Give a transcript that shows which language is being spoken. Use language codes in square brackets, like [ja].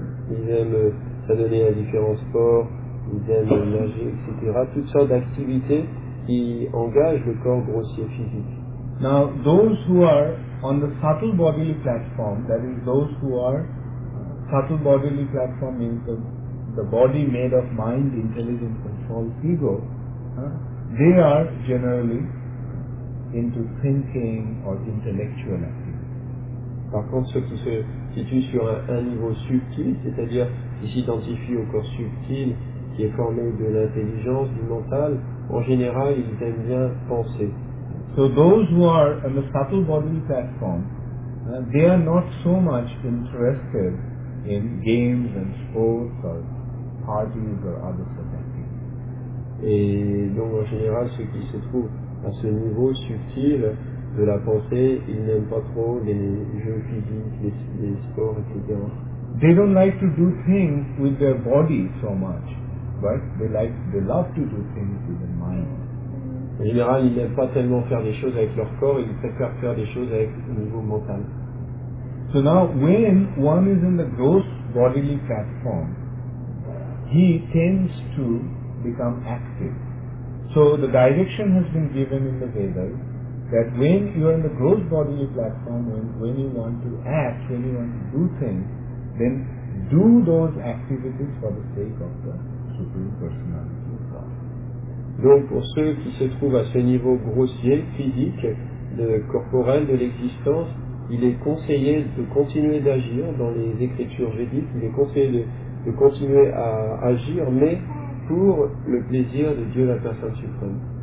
[fr] Ils aiment s'adonner à différents sports, ils aiment nager, etc. Toutes sortes d'activités qui engagent le corps grossier physique. [en] Now, those who are on the subtle bodily platform, that is those who are subtle bodily platform means the body made of mind, intelligence and false ego, they are generally into thinking or intellectual activity. [fr] Par contre, ceux qui se situent sur un niveau subtil, c'est-à-dire qui s'identifient au corps subtil qui est formé de l'intelligence, du mental, en général, ils aiment bien penser. [en] So those who are on the subtle bodily platform, they are not so much interested in games and sports or parties or other such things. [fr] Et donc en général, ceux qui se trouvent à ce niveau subtil de la pensée, ils n'aiment pas trop les jeux physiques, les sports, etc. [en] They don't like to do things with their body so much, but they love to do things with their mind. [fr] En général, ils n'aiment pas tellement faire des choses avec leur corps, ils préfèrent faire des choses avec le niveau mental. [en] So now, when one is in the gross bodily platform, he tends to become active. So the direction has been given in the Vedas that when you are in the gross bodily platform, when you want to act, when you want to do things, then do those activities for the sake of the Supreme Personality of God. [fr] Donc pour ceux qui se trouvent à ce niveau grossier, physique, corporel, de l'existence, il est conseillé de continuer d'agir dans les écritures védiques, il est conseillé de continuer à agir, mais pour le plaisir de Dieu la Personne Suprême.